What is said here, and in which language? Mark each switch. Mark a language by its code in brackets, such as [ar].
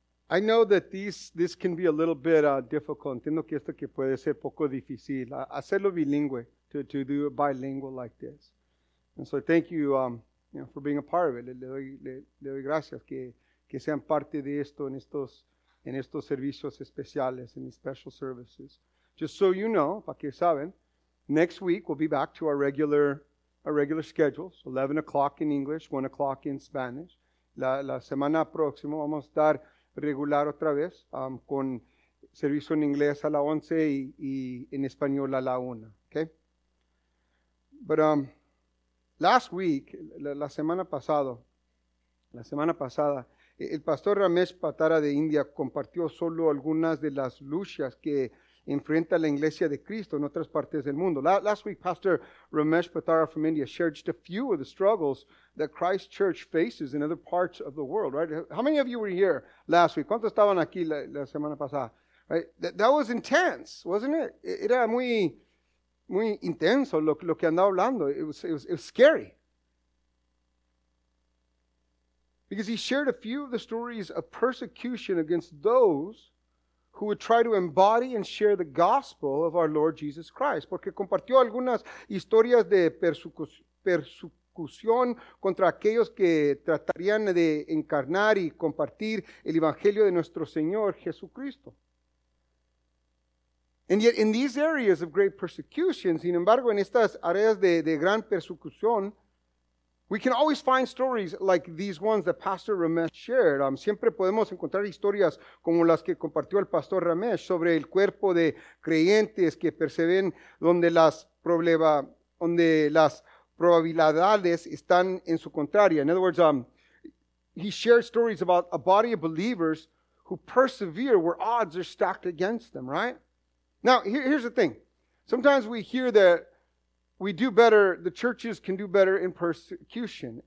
[en] I know that this can be a little bit difficult. [es] Entiendo que esto que puede ser poco difícil. Hacerlo bilingüe, [en] to do it bilingual like this. And so thank you, you know, for being a part of it. [es] Le doy gracias que sean parte de esto en estos servicios especiales, [en] in these special services. Just so you know, [es] para que saben, [en] next week we'll be back to our regular schedules, 11 o'clock in English, 1 o'clock in Spanish. [es] La semana próxima vamos a estar regular otra vez con servicio en inglés a la 11 y en español a la 1, okay? But la semana pasada, el pastor Ramesh Patara de India compartió solo algunas de las luchas que enfrenta la iglesia de Cristo en otras partes del mundo. [en] Last week, Pastor Ramesh Patara from India shared just a few of the struggles that Christ Church faces in other parts of the world, right? How many of you were here last week? [es] ¿Cuántos estaban aquí la semana pasada? [en] Right? That was intense, wasn't it? [es] Era muy, muy intenso lo que andaba hablando. [en] It was scary. Because he shared a few of the stories of persecution against those who would try to embody and share the gospel of our Lord Jesus Christ. [es] Porque compartió algunas historias de persecución contra aquellos que tratarían de encarnar y compartir el evangelio de nuestro Señor Jesucristo. [en] And yet in these areas of great persecution, [es] sin embargo, en estas áreas de gran persecución, [en] we can always find stories like these ones that Pastor Ramesh shared. [es] Siempre podemos encontrar historias como las que compartió el Pastor Ramesh sobre el cuerpo de creyentes que perciben donde las probabilidades están en su contraria. [en] In other words, he shared stories about a body of believers who persevere where odds are stacked against them, right? Now, here's the thing. Sometimes we hear that we do better, the churches can do better in persecution.